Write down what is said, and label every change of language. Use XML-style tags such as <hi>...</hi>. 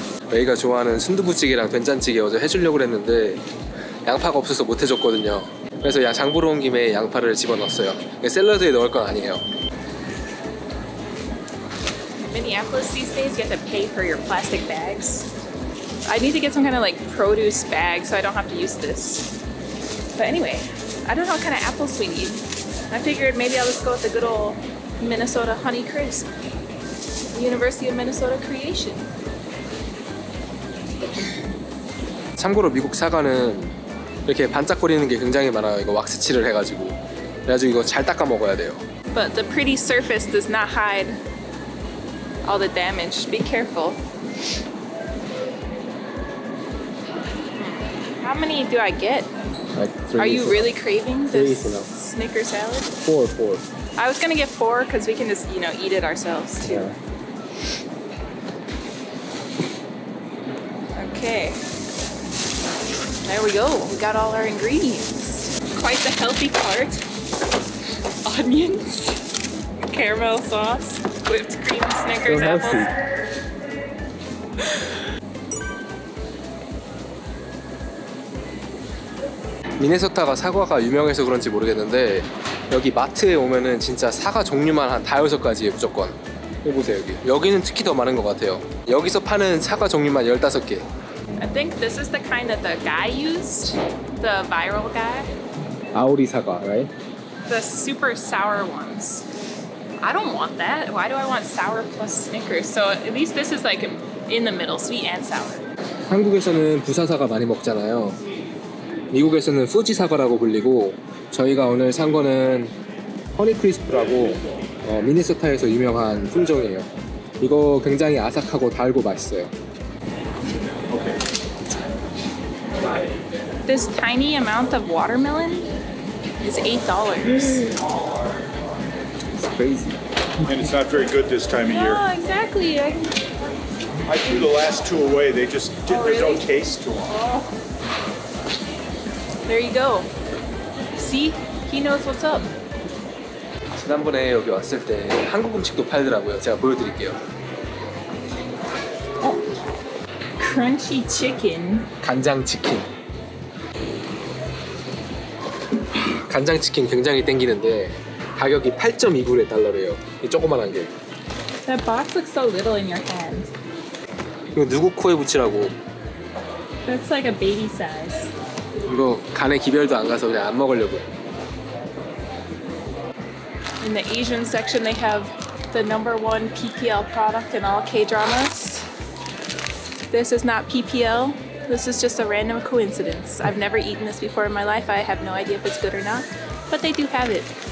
<ko>메이가 좋아하는 순두부찌개랑 된장찌개 어제 해주려고 했는데 양파가 없어서 못 해줬거든요. 그래서 장보러 온 김에 양파를 집어넣었어요. 샐러드에 넣을 건 아니에요.</ko> <en>Minneapolis these days, you have to pay for your plastic bags. I need to get some kind of like produce bag so I don't have to use this. But anyway, I don't know what kind of apples we need. I figured maybe I'll just go with the good old Minnesota Honey Crisp. University of Minnesota creation.</en> <ko>참고로 미국 사과는 이렇게 반짝거리는 게 굉장히 많아요. 이거 왁스 칠을 해가지고 그래가지고 이거 잘 닦아 먹어야 돼요.</ko> <en>But the pretty surface does not hide all the damage. Be careful. How many do I get? Like three. Are you really craving this Snickers salad? Four. I was gonna get four because we can just, you know, eat it ourselves too. Yeah. Okay. There we go. We got all our ingredients. Quite the healthy cart. Onions, caramel sauce, whipped cream, Snickers, so apples.</en> <ko>Minnesota가 사과가 유명해서 그런지 모르겠는데 여기 마트에 오면은 진짜 사과 종류만 한 다여섯 가지예요 무조건. 해보세요 여기. 여기는 특히 더 많은 것 같아요. 여기서 파는 사과 종류만 열다섯 개.</ko> <en>I think this is the kind that the guy used, the viral guy.</en> <ko>아오리 사과,</ko> <en>right? The super sour ones. I don't want that. Why do I want sour plus Snickers? So at least this is like in the middle, sweet and sour.</en> <ko>한국에서는 부사사과 많이 먹잖아요. 미국에서는 후지 사과라고 불리고 저희가 오늘 산 거는 허니크리스프라고 미네소타에서 유명한 품종이에요. 이거 굉장히 아삭하고 달고 맛있어요.</ko> <en>This tiny amount of watermelon is $8. It's crazy. And it's not very good this time of year. Oh, exactly. I threw the last two away. They just didn't really? Don't taste too well. There you go. See? He knows what's up.</en> <ko>지난번에 여기 왔을 때 한국 음식도 팔더라고요. 제가 보여드릴게요.</ko> <en>Crunchy chicken.</en> <ko>간장 치킨. 간장 치킨 굉장히 땡기는데 가격이 8.29 달러래요. 이 조그만한 게.</ko> <en>That box looks so little in your hand.</en> <ko>이거 누구 코에 붙이라고?</ko> <en>That's like a baby size.</en> <ko>이거 간에 기별도 안 가서 그냥 안 먹으려고.</ko> <en>In the Asian section, they have the number one PPL product in all K-dramas. This is not PPL. This is just a random coincidence. I've never eaten this before in my life. I have no idea if it's good or not, but they do have it.</en>